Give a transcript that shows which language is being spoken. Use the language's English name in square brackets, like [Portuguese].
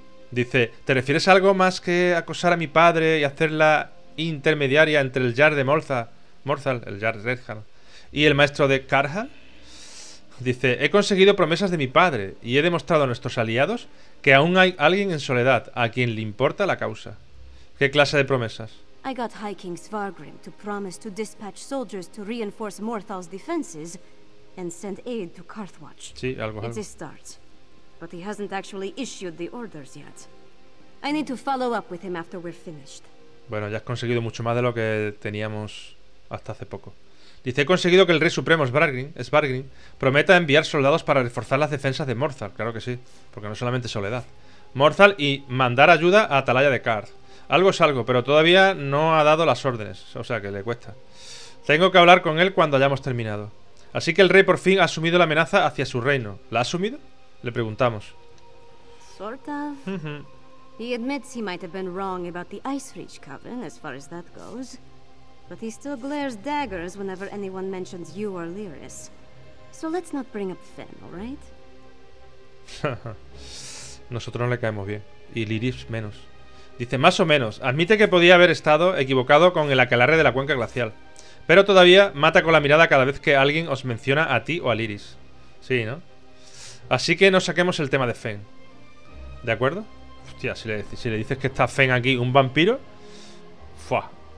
[Spanish] Dice, ¿te refieres a algo más que acosar a mi padre y hacerla intermediaria entre el Jarl de Morthal, el Jarl de Redhal, y el maestro de Carthal? Dice, he conseguido promesas de mi padre y he demostrado a nuestros aliados que aún hay alguien en Soledad a quien le importa la causa. ¿Qué clase de promesas? [English] I got High King Svargrim to promise to dispatch soldiers to reinforce Morthal's defenses and send aid to Carthwatch. [Spanish] Sí, algo, algo. [English] It's a start. But he hasn't actually issued the orders yet. I need to follow up with him after we're finished. [Spanish] Bueno, ya has conseguido mucho más de lo que teníamos hasta hace poco. Dice, he conseguido que el Rey Supremo Svargrim prometa enviar soldados para reforzar las defensas de Morthal. Claro que sí, porque no solamente Soledad. Morthal y mandar ayuda a Atalaya de Carth. Algo es algo, pero todavía no ha dado las órdenes, o sea que le cuesta. Tengo que hablar con él cuando hayamos terminado. Así que el rey por fin ha asumido la amenaza hacia su reino. ¿La ha asumido? Le preguntamos. [English] Sort of. He admits he might have been wrong about the Ice Reach Coven, as far as that goes. But he still glares daggers whenever anyone mentions you or Lyris. So let's not bring up Fenn, all right? [Spanish] Nosotros no le caemos bien. Y Lyris menos. Dice, más o menos, admite que podía haber estado equivocado con el aquelarre de la cuenca glacial. Pero todavía mata con la mirada cada vez que alguien os menciona a ti o a Lyris. Sí, ¿no? Así que no saquemos el tema de Fenn. ¿De acuerdo? Hostia, si le dices que está Fenn aquí un vampiro. ¡Fua!